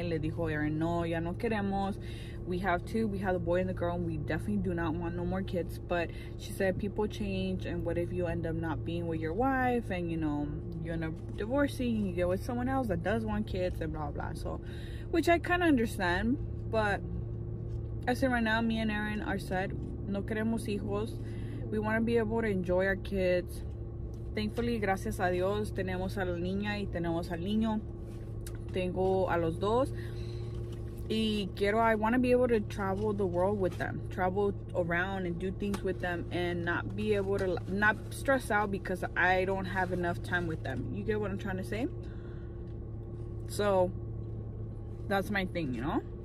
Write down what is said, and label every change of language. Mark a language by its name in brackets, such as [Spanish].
[Spanish] Y le dijo Aaron, no, ya no queremos. [English] We have the boy and the girl, and we definitely do not want no more kids. But she said people change, and what if you end up not being with your wife, and you know, you end up divorcing, you get with someone else that does want kids, and blah blah. So, which I kind of understand, but I said right now, me and Aaron are set, [Spanish] no queremos hijos, [English] we want to be able to enjoy our kids. Thankfully, [Spanish] gracias a Dios, tenemos a la niña y tenemos al niño. Tengo a los dos. Y quiero, [English] I want to be able to travel the world with them. Travel around and do things with them and not be able to, not stress out because I don't have enough time with them. You get what I'm trying to say? So, that's my thing, you know?